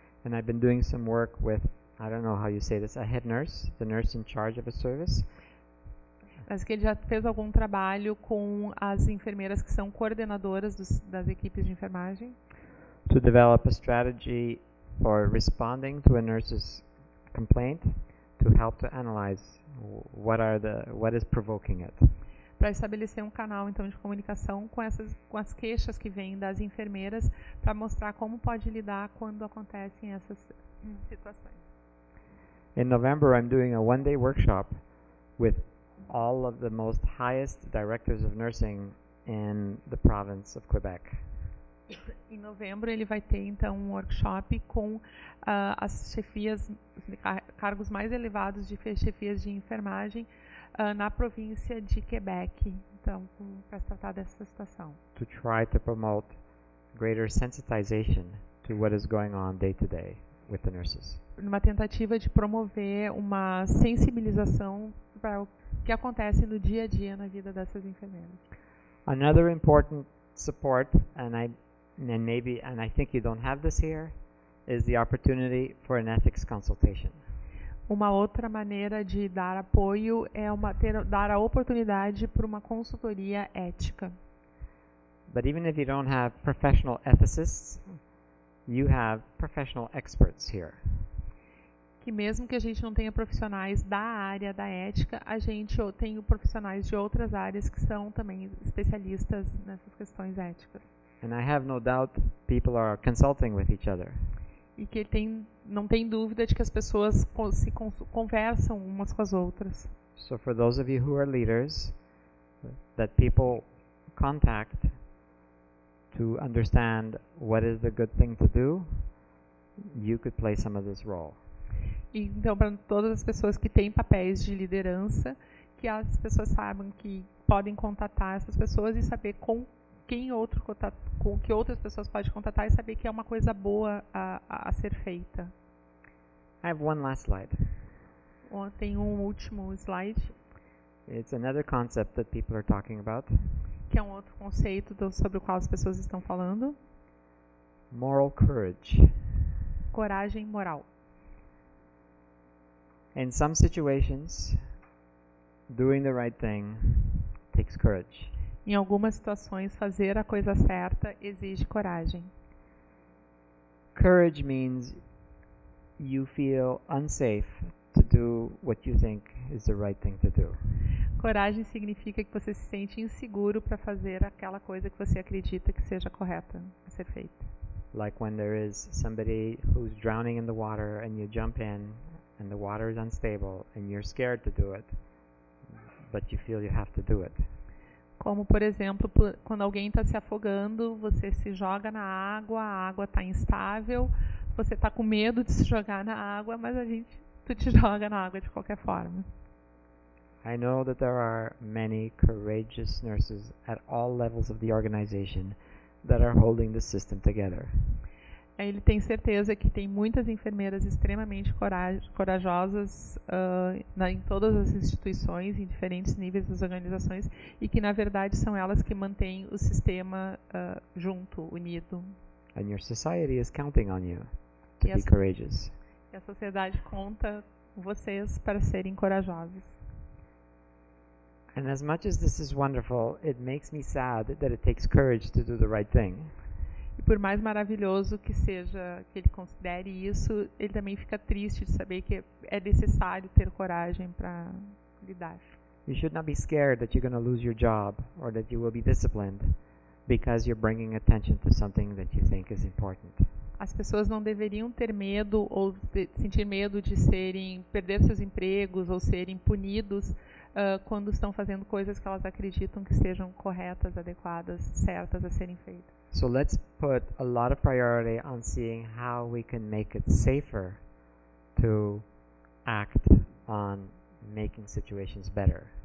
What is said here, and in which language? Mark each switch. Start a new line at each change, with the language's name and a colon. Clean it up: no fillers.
English: And I've been doing some work with, I don't know how you say this, a head nurse, the nurse in charge of a service.
Portuguese: Mas que ele já fez algum trabalho com as enfermeiras que são coordenadoras das equipes de enfermagem.
English: To develop a strategy for responding to a nurse's complaint to help to analyze what is provoking it.
Portuguese: Para estabelecer um canal então de comunicação com as queixas que vêm das enfermeiras para mostrar como pode lidar quando acontecem essas situações.
English: In November I'm doing a one-day workshop with all of the most highest directors of nursing in the province of Quebec.
Portuguese: Em novembro ele vai ter então um workshop com as chefias, cargos mais elevados de chefias de enfermagem na província de Quebec, então para tratar dessa situação.
English: To try to promote greater sensitization to what is going on day to day with the nurses.
Portuguese: Numa tentativa de promover uma sensibilização para o que acontece no dia a dia na vida dessas enfermeiras.
English: Another important support, and I think you don't have this here, is the opportunity for an ethics consultation.
Portuguese: Uma outra maneira de dar apoio é dar a oportunidade para uma consultoria ética.
English: But even if you don't have professional ethicists, you have professional experts here.
Portuguese: Que mesmo que a gente não tenha profissionais da área da ética, a gente tem profissionais de outras áreas que são também especialistas nessas questões éticas.
English: And I have no doubt people are consulting with each other.
Portuguese: E que não tem dúvida de que as pessoas se conversam umas com as outras.
English: So for those of you who are leaders, that people contact to understand what is the good thing to do, you could play some of this role.
Portuguese: Então, para todas as pessoas que têm papéis de liderança, que as pessoas saibam que podem contatar essas pessoas e saber com quem outro com que outras pessoas podem contatar e saber que é uma coisa boa a ser feita.
English: I have one last slide.
Portuguese: Tem um último slide.
English: It's another concept that people are talking about.
Portuguese: Que é um outro conceito sobre o qual as pessoas estão falando.
English: Moral courage.
Portuguese: Coragem moral.
English: In some situations, doing the right thing takes courage.
Portuguese: Em algumas situações, fazer a coisa certa exige coragem.
English: Courage means you feel unsafe to do what you think is the right thing to do.
Portuguese: Coragem significa que você se sente inseguro para fazer aquela coisa que você acredita que seja correta a ser feita.
English: Like when there is somebody who's drowning in the water and you jump in. And the water is unstable, and you're scared to do it, but you feel you have to do it.
Portuguese: Como, por exemplo, quando alguém está se afogando, você se joga na água, a água está instável, você está com medo de se jogar na água, mas tu te joga na água de qualquer forma.
English: I know that there are many courageous nurses at all levels of the organization that are holding the system together.
Portuguese: Ele tem certeza que tem muitas enfermeiras extremamente corajosas em todas as instituições, em diferentes níveis das organizações, e que, na verdade, são elas que mantêm o sistema junto, unido.
English: And your society is counting on you to be courageous.
Portuguese: E a sociedade conta com vocês para serem corajosos.
English: And as much as this is wonderful, it makes me sad that it takes courage to do the right thing.
Portuguese: E por mais maravilhoso que seja que ele considere isso, ele também fica triste de saber que é necessário ter coragem para lidar.
English: You should not be scared that you're going to lose your job or that you will be disciplined because you're bringing attention to something that you think is important.
Portuguese: As pessoas não deveriam ter medo ou sentir medo de perder seus empregos ou serem punidos quando estão fazendo coisas que elas acreditam que sejam corretas, adequadas, certas a serem feitas.
English: So let's put a lot of priority on seeing how we can make it safer to act on making situations better.